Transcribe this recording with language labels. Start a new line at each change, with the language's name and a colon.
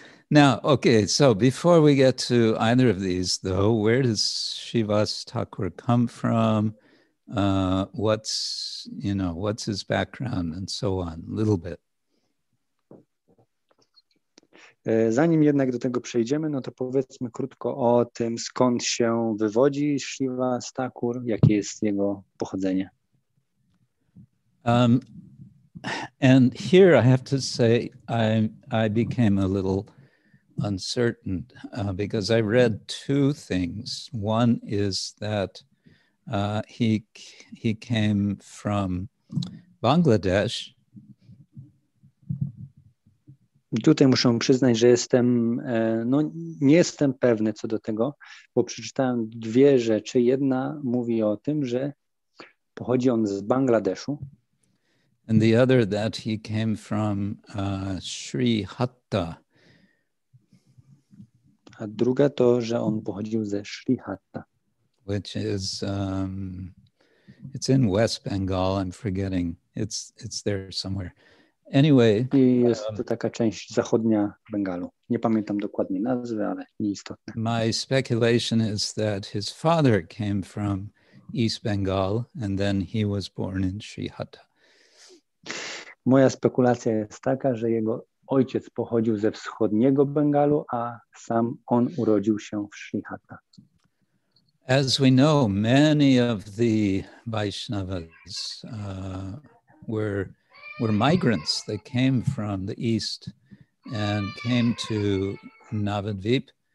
English: Now, okay, so before we get to either of these, though, where does Shiva's Thakur come from? What's his background and so on, a little bit.
Polish: Zanim jednak do tego przejdziemy, no to powiedzmy krótko o tym, skąd się wywodzi Shiva's Thakur, jakie jest jego pochodzenie.
English: And here I have to say I became a little uncertain because I read two things. One is that he came from Bangladesh.
Polish: Tutaj muszę przyznać, że jestem, no nie jestem pewny co do tego, bo przeczytałem dwie rzeczy. Jedna mówi o tym, że pochodzi on z Bangladeszu.
English: And the other that he came from Sri Hatta.
Polish: A druga to, że on pochodził ze Sri Hatta.
English: Which is, it's in West Bengal, I'm forgetting. It's there somewhere. Anyway,
Polish: i jest to taka część zachodnia Bengalu. Nie pamiętam dokładnie nazwy, ale nieistotne.
English: My speculation is that his father came from East Bengal and then he was born in Sri Hatta.
Polish: Moja spekulacja jest taka, że jego ojciec pochodził ze wschodniego Bengalu, a sam on urodził się w Sri Hatta.
English: As we know, many of the Vaishnavas were migrants that came from the east and came to Navadvip.